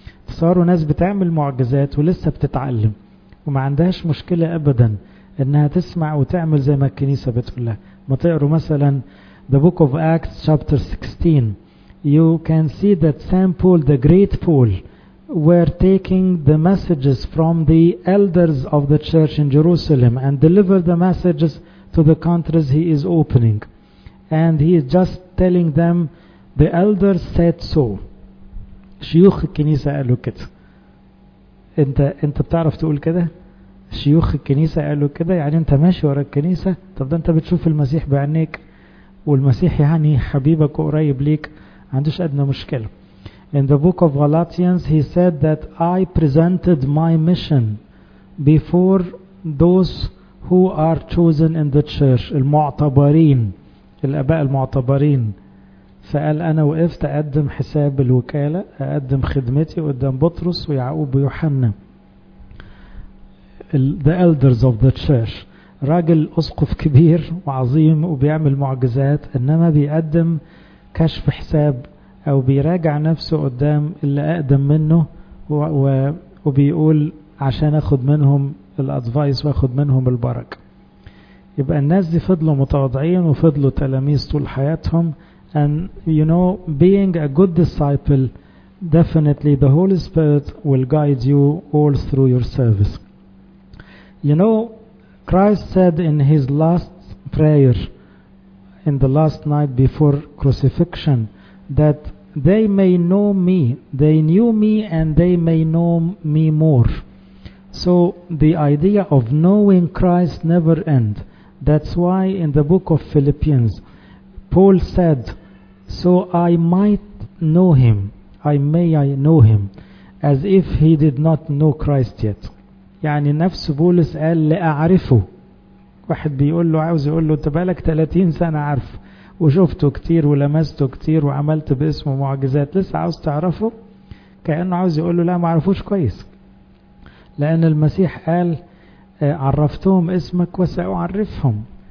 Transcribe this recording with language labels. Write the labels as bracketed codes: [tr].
[ar] صاروا ناس بتعمل معجزات ولسه بتتعلم وما عندهاش مشكلة أبدا إنها تسمع وتعمل زي ما الكنيسة بتقولها. ما تقروا مثلا [en] the book of Acts chapter 16, you can see that St. Paul, the great Paul, were taking the messages from the elders of the church in Jerusalem and deliver the messages to the countries he is opening, and he is just telling them the elders said so. [ar] شيوخ الكنيسة قالوا كده. انت بتعرف تقول كده؟ شيوخ الكنيسة قالوا كده, يعني انت ماشي ورا الكنيسة. طب ده انت بتشوف المسيح بعينيك والمسيح يعني حبيبك وقريب ليك, عندوش ادنى مشكلة. [en] In the book of Galatians he said that I presented my mission before those who are chosen in the church, [ar] المعتبرين, الاباء المعتبرين. فقال انا وقفت اقدم حساب الوكالة, اقدم خدمتي قدام بطرس ويعقوب ويوحنا, [en] the elders of the church. [ar] راجل اسقف كبير وعظيم وبيعمل معجزات, انما بيقدم كشف حساب او بيراجع نفسه قدام اللي اقدم منه وبيقول عشان اخد منهم الادفايس واخد منهم البركة. يبقى الناس دي فضلوا متواضعين وفضلوا تلاميذ طول حياتهم. [en] And you know, being a good disciple, definitely the Holy Spirit will guide you all through your service. You know, Christ said in his last prayer, in the last night before crucifixion, that they may know me. They knew me and they may know me more. So the idea of knowing Christ never ends. That's why in the book of Philippians, Paul said, so I might know him, I know him, as if he did not know Christ yet. [ar] يعني نفس بولس قال لأعرفه. واحد بيقول له عاوز يقول له انت بقالك 30 سنة عارف وشفته كتير ولمسته كتير وعملت باسمه معجزات لسه عاوز تعرفه، كأنه عاوز يقول له لا معرفوش كويس، لأن المسيح قال عرفتهم اسمك وسأعرفهم.